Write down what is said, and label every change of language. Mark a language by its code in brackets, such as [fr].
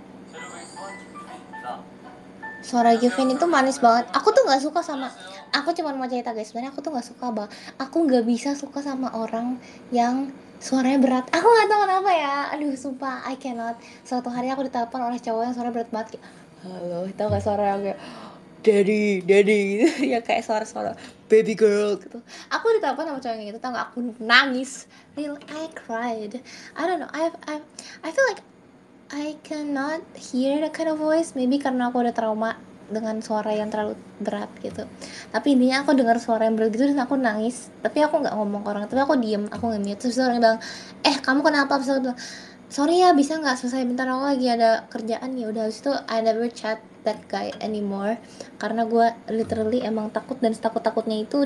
[ko] 제로 베이스 원 준비입니다. [id] 수아라 기펜 itu manis banget. Aku tuh enggak suka sama. Aku cuma mau cerita guys, sebenarnya aku tuh enggak suka, Bang. Aku enggak bisa suka sama orang yang suaranya berat. Aku enggak tahu kenapa ya. Aduh, sumpah [en] I cannot. [id] Suatu hari aku ditelepon oleh cowok yang suaranya berat banget. Kayak, halo, tahu enggak suara yang kayak daddy gitu. Ya kayak suara baby girl gitu. Aku ditelepon sama cowok yang gitu, tahu enggak aku nangis. [en] Real I cried. I don't know. I feel like I cannot hear that kind of voice. [id] Maybe karena aku udah trauma dengan suara yang terlalu berat gitu. Tapi intinya aku dengar suara yang berat gitu dan aku nangis. Tapi aku gak ngomong ke orang, tapi aku diem, aku nge-mute. Terus orang bilang, eh kamu kenapa? Terus aku bilang, sorry ya bisa gak selesai, bentar aku lagi ada kerjaan. Ya udah, habis itu [en] I never chat that guy anymore. [id] Karena gue literally emang takut dan setakut-takutnya itu.